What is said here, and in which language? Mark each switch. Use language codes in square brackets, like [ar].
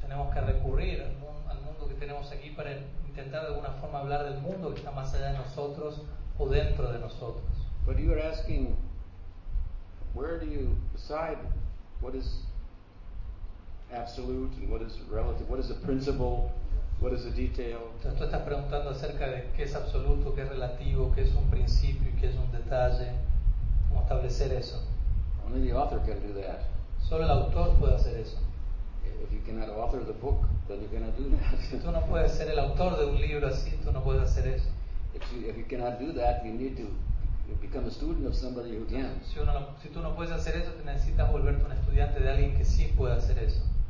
[es] Tenemos que recurrir al mundo que tenemos aquí para intentar de alguna forma hablar del mundo que está más allá de nosotros o dentro de nosotros. [en] But you are asking, where do you decide what is absolute and what is relative, what is a principle? What is the detail? [es] Entonces, tú estás preguntando acerca de qué es absoluto, qué es relativo, qué es un principio y qué es un detalle. ¿Cómo establecer eso? [en] Only the author can do that. [es] Solo el autor puede hacer eso. [en] If you cannot author the book, then you cannot do that. [es] Si tú no puedes ser el autor de un libro así, tú no puedes hacer eso. [en] If you cannot do that, you need to become a student of somebody who can. [es] Si tú no puedes hacer eso, te necesitas volverte un estudiante de alguien que sí pueda hacer eso.